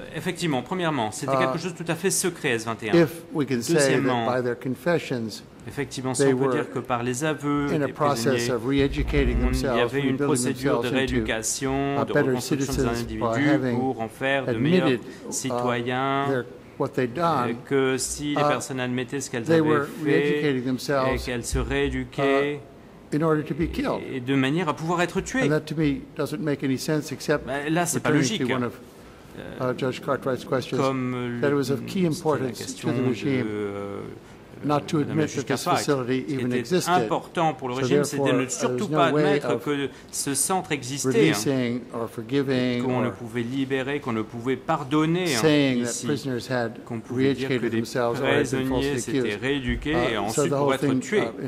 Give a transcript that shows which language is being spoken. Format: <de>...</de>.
<en>If we can say that by their confessions,</en> <fr>effectivement, si on peut dire que par les aveux des prisonniers, il y avait une procédure de rééducation, de reconstruction des individus pour en faire de meilleurs citoyens, que si les personnes admettaient ce qu'elles avaient fait et qu'elles se rééduquaient</fr> <en>in order to be killed.</en> <fr>Et de manière à pouvoir être tuées.</fr> <en>And that to me doesn't make any sense except</en> <fr>là, c'est pas logique.</fr> <en>Judge Cartwright's questions, that it was of key importance to the regime. Not to admit that this facility even existed.</en> <fr>Important pour le régime, c'était ne surtout pas admettre que ce centre existait, qu'on ne pouvait libérer, qu'on ne pouvait pardonner ici, qu'on pouvait dire que des prisonniers s'étaient rééduqués et ensuite pour être tués.</fr>